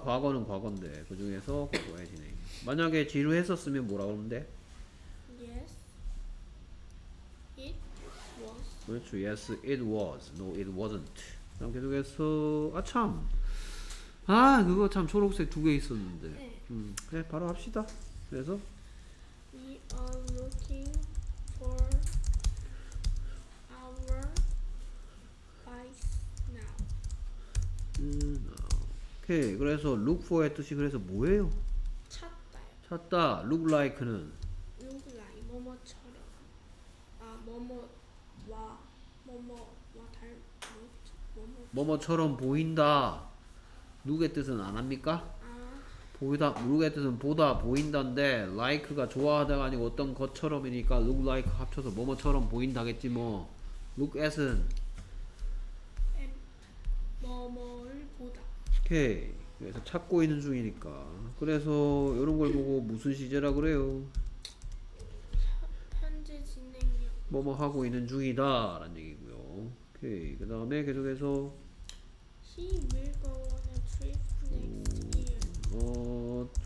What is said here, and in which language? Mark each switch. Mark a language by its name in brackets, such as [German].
[Korean] 과거는 과거인데 그 중에서 과거의 진행. 만약에 지루했었으면 뭐라 그러는데? [English] Yes, it was. [Korean] 그렇죠. [English] Yes, it was. No, it wasn't. [Korean] 그럼 계속해서 아 참. 아 그거 참 초록색 두개 있었는데. 네, 바로 합시다. 그래서 [English] We are looking for our bikes now. [Korean] 오케이. 그래서 look for의 뜻이 그래서 뭐예요? 찾다. look like는 Look like 뭐뭐처럼 아 뭐뭐와 뭐뭐와 닮 뭐뭐처럼 보인다. look의 뜻은 안 합니까? 보이다. look의 뜻은 보다, 보인다인데 like가 좋아하다가 아니고 어떤 것처럼이니까 look like 합쳐서 뭐뭐처럼 보인다겠지 뭐. look at은 뭐뭐를 보다 오케이. 그래서 찾고 있는 중이니까. 그래서 요런 걸 보고 무슨 시제라 그래요? 현재 진행형 뭐뭐 하고 있는 중이다 라는 얘기고요. 오케이. 그 다음에 계속해서 [English] He will go on a trip next year.